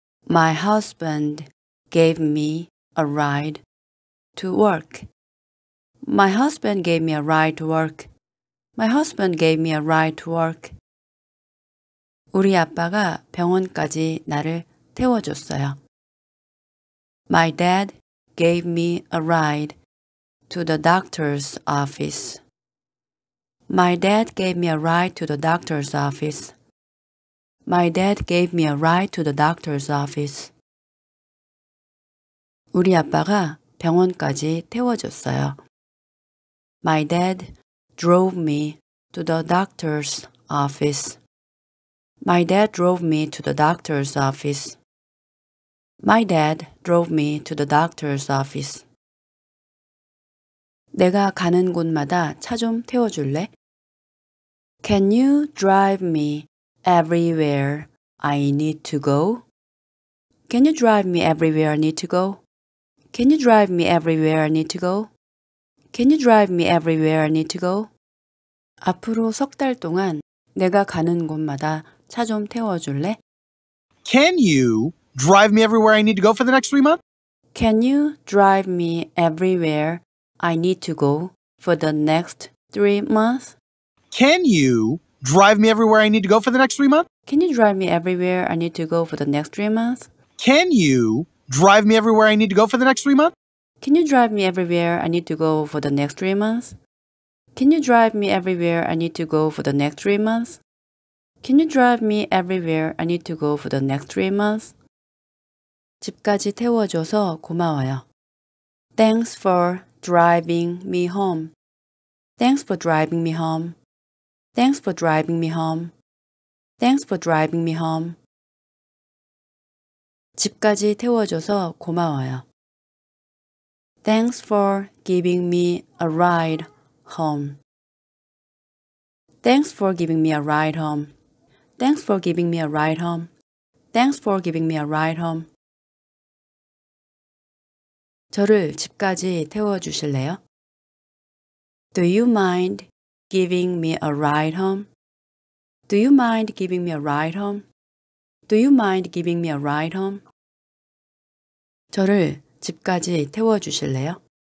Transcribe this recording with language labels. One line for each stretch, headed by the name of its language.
English: My husband gave me a ride to work. My husband gave me a ride to work. My husband gave me a ride to work.
Korean: 우리 아빠가 병원까지 나를 태워줬어요.
English: My dad gave me a ride to the doctor's office. My dad gave me a ride to the doctor's office. My dad gave me a ride to the doctor's office.
Korean: 우리 아빠가 병원까지 태워줬어요.
English: My dad drove me to the doctor's office. My dad drove me to the doctor's office. My dad drove me to the doctor's office.
Korean: 내가 가는 곳마다 차 좀 태워줄래?
English: Can you drive me everywhere I need to go? Can you drive me everywhere I need to go? Can you drive me everywhere I need to go? Can you drive me everywhere I need to go?
Korean: 앞으로 석 달 동안 내가 가는 곳마다 차 좀 태워줄래?
English: Can you drive me everywhere I need to go for the next 3 months? Can you drive me everywhere I need to go for the next 3 months? Can you drive me everywhere I need to go for the next 3 months? Can you drive me everywhere I need to go for the next 3 months? Can you drive me everywhere I need to go for the next 3 months? Can you drive me everywhere I need to go for the next 3 months? Can you drive me everywhere I need to go for the next 3 months? Can you drive me everywhere I need to go for the next 3 months?
Korean: 집까지 태워줘서 고마워요.
English: Thanks for driving me home. Thanks for driving me home. Thanks for driving me home. Thanks for driving me home.
Korean: 집까지 태워줘서 고마워요.
English: Thanks for giving me a ride home. Thanks for giving me a ride home. Thanks for giving me a ride home. Thanks for giving me a ride home.
Korean: 저를 집까지 태워주실래요?
English: Do you mind giving me a ride home? Do you mind giving me a ride home? Do you mind giving me a ride home?
Korean: 저를 집까지 태워주실래요?